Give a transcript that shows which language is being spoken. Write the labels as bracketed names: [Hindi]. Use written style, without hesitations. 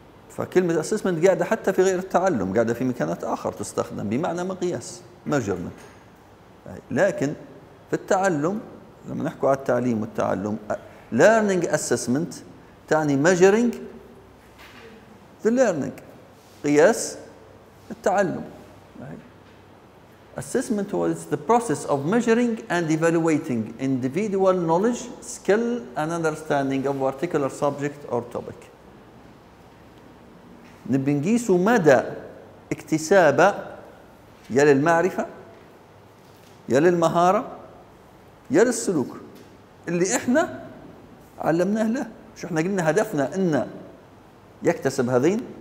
[Arabic] فكلمة assessment قاعدة حتى في غير التعلم، قاعدة في مكانات آخر تستخدم بمعنى مقياس measurement، هاي. لكن في التعلم لما نحكي على التعليم والتعلم learning assessment تعني measuring the learning، قياس التعلم، هاي. [English] Assessment was the process of measuring and evaluating individual knowledge, skill and understanding of a particular subject or topic. [Arabic] نبي نقيس مدى اكتساب يا للمعرفة يا للمهارة يا للسلوك اللي احنا علمناه له. شو احنا قلنا هدفنا انه يكتسب هذين.